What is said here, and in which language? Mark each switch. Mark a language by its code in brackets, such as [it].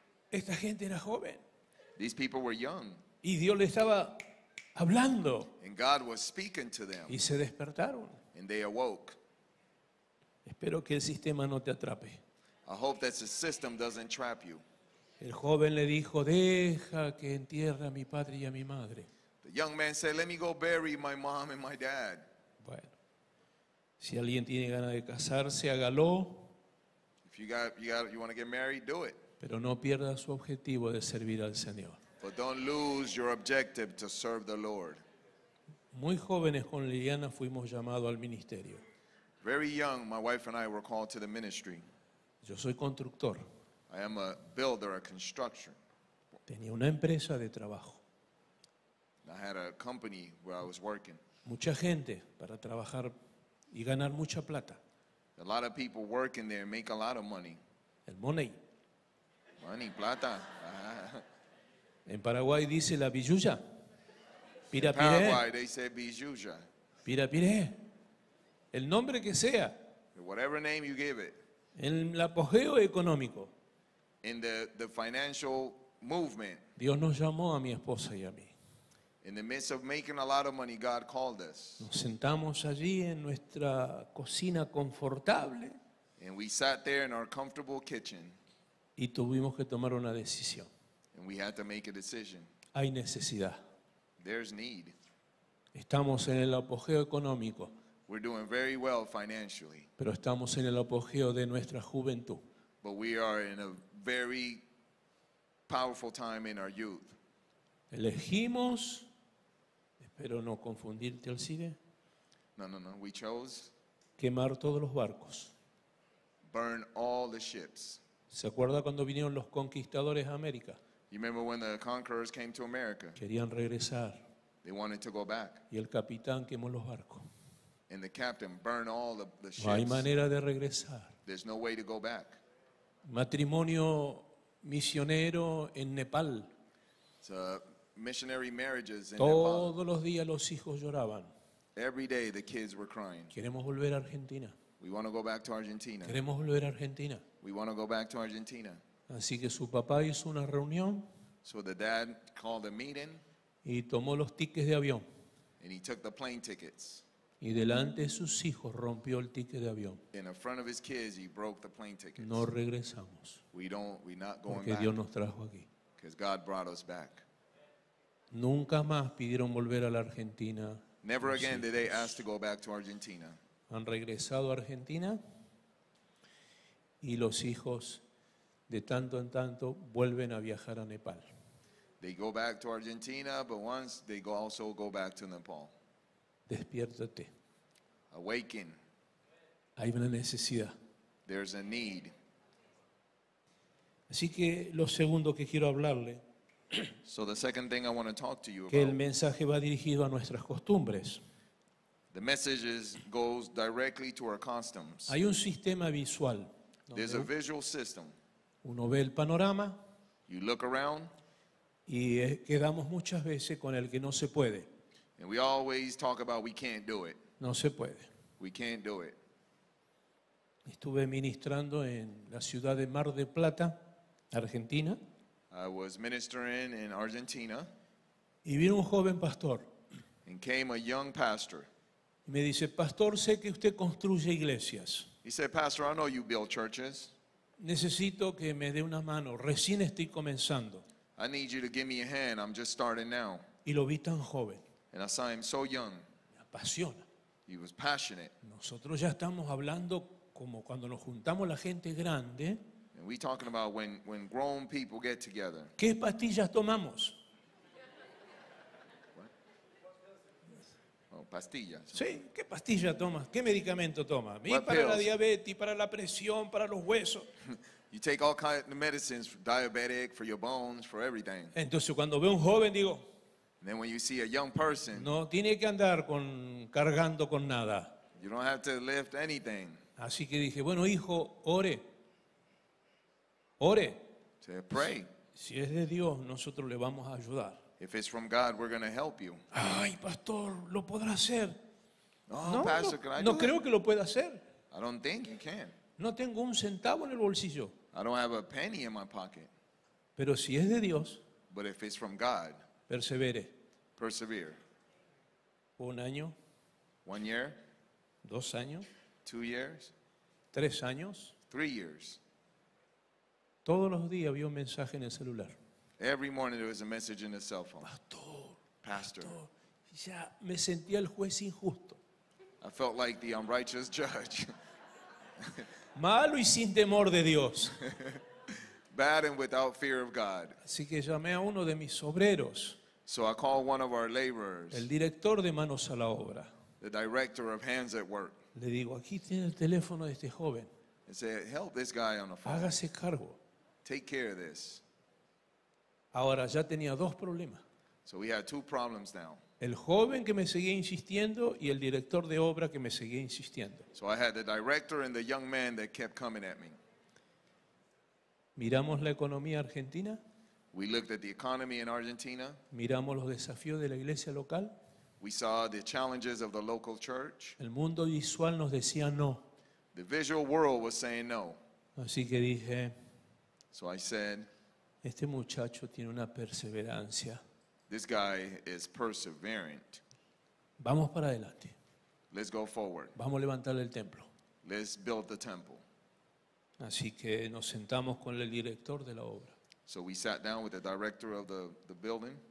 [es] Esta gente era joven. [en] These people were young. [es] Y Dios les estaba hablando. [en] And God was speaking to them. [es] Y se despertaron. [en] And they awoke. [es] Espero que el sistema no te atrape. [en] I hope that the system doesn't trap you. [es] El joven le dijo, deja que entierre a mi padre y a mi madre. [en] The young man said, let me go bury my mom and my dad. [es] Bueno, si alguien tiene ganas de casarse, hágalo. [en] If you want to get married, do it. [es] Pero no pierda su objetivo de servir al Señor. [en] But don't lose your objective to serve the Lord. [es] Muy jóvenes con Liliana fuimos llamados al ministerio. [en] Very young, my wife and I were called to the ministry. [es] Yo soy constructor. [en] I am a builder, a constructor. [es] Tenía una empresa de trabajo. [en] I had a company where I was working. [es] Mucha gente para trabajar y ganar mucha plata. [en] A lot of people working there make a lot of money. [es] El money. [en] Money, plata. [es] En Paraguay dice la billuya. [gn] Pira pire. [en] In Paraguay they say billuya. [gn] Pira pire. [es] El nombre que sea. [en] Whatever name you give it. [es] En el apogeo económico. [en] In the financial movement. [es] Dios nos llamó a mi esposa y a mí. [en] In the midst of making a lot of money, God called us. [es] Nos sentamos allí en nuestra cocina confortable. [en] And we sat there in our comfortable kitchen. [es] Y tuvimos que tomar una decisión. [en] And we had to make a decision. [es] Hay necesidad. [en] There's need. [es] Estamos en el apogeo económico. [en] We're doing very well financially. [es] Pero estamos en el apogeo de nuestra juventud. [en] But we are in a very powerful time in our youth. [es] Elegimos, espero no confundirte al cine. [en] No, we chose. [es] Quemar todos los barcos. [en] Burn all the ships. [es] ¿Se acuerda cuando vinieron los conquistadores a América? [en] You remember when the conquerors came to America? [es] Querían regresar. [en] They wanted to go back. [es] Y el capitán quemó los barcos. [en] And the captain burned all the ships. [es] No hay manera de regresar. [en] There's no way to go back. [es] Matrimonio misionero en Nepal. [en] So, missionary marriages in [es] todos [en] Nepal. [es] Los días los hijos lloraban. [en] Every day the kids were crying. [es] Queremos volver a Argentina. [en] We want to go back to Argentina. [es] Queremos volver a Argentina. [en] We want to go back to Argentina. [es] Así que su papá hizo una reunión. [en] So the dad called a meeting. [es] Y tomó los tickets de avión. [en] And he took the plane tickets. [es] Y delante de sus hijos rompió el ticket de avión. [en] And in front of his kids he broke the plane tickets. [es] No regresamos. [en] We're not going back. [es] Porque Dios nos trajo aquí. [en] Because God brought us back. [es] Nunca más pidieron volver a la Argentina. [en] Never again did they ask to go back to Argentina. [es] Han regresado a Argentina y los hijos de tanto en tanto vuelven a viajar a Nepal. [en] They go back to Argentina, but once they also go back to Nepal. [es] Despiértate. [en] Awaken. [es] Hay una necesidad. [en] There's a need. [es] Así que lo segundo que quiero hablarle. [en] So the second thing I want to talk to you [es] que [en] about. [es] El mensaje va dirigido a nuestras costumbres. [en] The message goes directly to our customs. [es] Hay un sistema visual. [en] There's a visual system. [es] Uno ve el panorama. [en] You look around. [es] Y quedamos muchas veces con el que no se puede. [en] And we always talk about we can't do it. [es] No se puede. [en] We can't do it. [es] Estuve ministrando en la ciudad de Mar del Plata, Argentina. [en] I was ministering in Argentina. [es] Y vino un joven pastor. [en] And came a young pastor. [es] Y me dice, pastor, sé que usted construye iglesias. [en] He said, pastor, I know you build churches. [es] Necesito que me dé una mano. Recién estoy comenzando. [en] I need you to give me a hand. I'm just starting now. [es] Y lo vi tan joven. [en] And I saw him so young. [es] Me apasiona. [en] He was passionate. [es] Nosotros ya estamos hablando como cuando nos juntamos la gente grande. [en] And we're talking about when grown people get together. [es] ¿Qué pastillas tomamos? [en] What? Oh, pastillas. [es] Sí, ¿qué pastilla tomas? ¿Qué medicamento tomas? ¿Y para [en] pills? [es] La diabetes, para la presión, para los huesos. [en] You take all kinds of medicines for diabetic, for your bones, for everything. [es] Entonces cuando veo un joven digo, [en] and then when you see a young person, [es] no tiene que andar con cargando con nada. [en] You don't have to lift anything. [es] Así que dije, bueno, hijo, ore. Ore. [en] To pray. [es] Si es de Dios, nosotros le vamos a ayudar. [en] If it's from God, we're going to help you. [es] Ay, pastor, ¿lo podrá hacer? [en] Oh, no, pastor, can I [es] no creo que lo pueda hacer. [en] I don't think you can. [es] No tengo un centavo en el bolsillo. [en] I don't have a penny in my pocket. [es] Pero si es de Dios. [en] But if it's from God. [es] Persevere. [en] Persevere. [es] Un año. [en] One year. [es] Dos años. [en] Two years. [es] Tres años. [en] Three years. [es] Todos los días había un mensaje en el celular. [en] Every morning there was a message in the cell phone. [es] Pastor. Ya me sentía el juez injusto. [en] I felt like the unrighteous judge. [es] Malo y sin temor de Dios. [en] Bad and without fear of God. [es] Así que llamé a uno de mis obreros. [en] So I called one of our laborers. [es] El director de manos a la obra. [en] The director of hands at work. [es] Le digo, aquí tiene el teléfono de este joven. [en] And said, help this guy on the phone. [es] Hágase cargo. [en] Take care of this. [es] Ahora ya tenía dos problemas. [en] So we had two problems now. [es] El joven que me seguía insistiendo y el director de obra que me seguía insistiendo. [en] So I had the director and the young man that kept coming at me. [es] Miramos la economía argentina. [en] We looked at the economy in Argentina. [es] Miramos los desafíos de la iglesia local. [en] We saw the challenges of the local church. [es] El mundo visual nos decía no. [en] The visual world was saying no. [es] Así que dije, [en] so I said, [es] este muchacho tiene una perseverancia. [en] This guy is perseverant. [es] Vamos para adelante. [en] Let's go forward. [es] Vamos a levantar el templo. [en] Let's build the temple. [es] Así que nos sentamos con el director de la obra. [en] So we sat down with the director of the building.